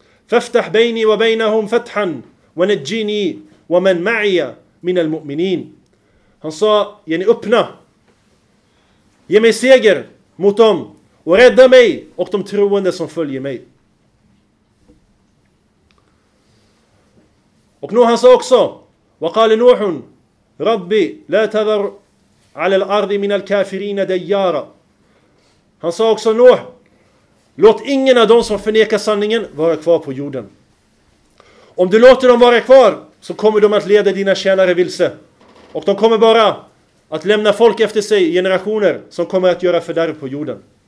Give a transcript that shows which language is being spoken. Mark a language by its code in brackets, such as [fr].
[ar] فَفْتَحْ بَيْنِي وَبَيْنَهُمْ فَتْحًا وَنَجِّنِي وَمَنْ مَعِيَ مِنَ الْمُؤْمِنِينَ. [sv] Han sa: yani, öppna. Ge mig seger mot dem. Och rädda mig och de troende som följer mig. Och nu han sa också: [ar] وَقَالَ نُوحٌ رَبِّ لَا تَذَرْ عَلَى الْأَرْضِ مِنَ الْكَافِرِينَ دَيَّارًا. [sv] Han sa också: Nuh, låt ingen av dem som förnekar sanningen vara kvar på jorden. Om du låter dem vara kvar så kommer de att leda dina tjänare vilse. Och de kommer bara att lämna folk efter sig, generationer som kommer att göra fördärv på jorden.